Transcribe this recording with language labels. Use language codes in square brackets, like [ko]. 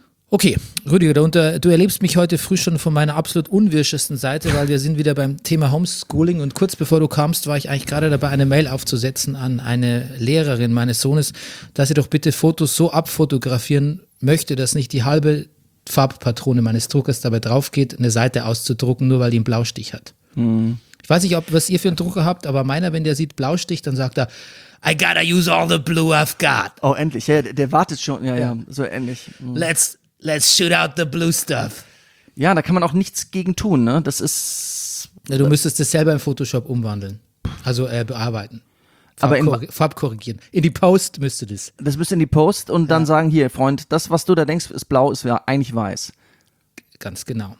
[de] Okay, Rüdiger, du erlebst mich heute früh schon von meiner absolut unwirschesten Seite, weil wir sind wieder beim Thema Homeschooling und kurz bevor du kamst, war ich eigentlich gerade dabei, eine Mail aufzusetzen an eine Lehrerin meines Sohnes, dass sie doch bitte Fotos so abfotografieren möchte, dass nicht die halbe Farbpatrone meines Druckers dabei drauf geht, eine Seite auszudrucken, nur weil die einen Blaustich hat. Mhm. Ich weiß nicht, ob was ihr für einen Drucker habt, aber meiner, wenn der sieht Blaustich, dann sagt er, [en] I gotta use all the blue I've got. [de] Oh, endlich, ja, der wartet schon, ja, so ähnlich. Mhm. [en] Let's shoot out the blue stuff. [de] Ja, da kann man auch nichts gegen tun, ne? Das ist. Ja, du müsstest das selber in Photoshop umwandeln. Also bearbeiten. Farbkorrigieren. In die Post müsste das. Das müsste in die Post und dann sagen: Hier, Freund, das, was du da denkst, ist blau, ist ja eigentlich weiß. Ganz genau.